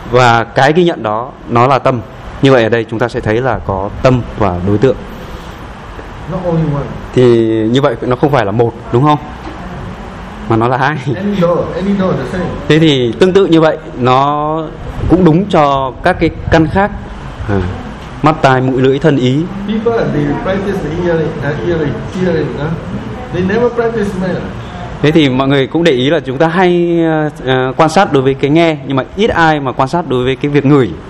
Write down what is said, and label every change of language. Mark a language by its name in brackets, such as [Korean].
[Vietnamese] Và cái ghi nhận đó nó là tâm. Như vậy ở đây chúng ta sẽ thấy là có tâm và đối tượng. [English] Not only one. [Vietnamese] Thì như vậy nó không phải là một, đúng không? Mà nó là hai. [English] Any door, the same. [Vietnamese] Thế thì tương tự như vậy nó cũng đúng cho các căn khác. Mắt tai mũi lưỡi thân ý. [English] People they practice hearing, they never practice smell. [Vietnamese] Thế thì mọi người cũng để ý là chúng ta hay quan sát đối với nghe, nhưng mà ít ai mà quan sát đối với việc ngửi.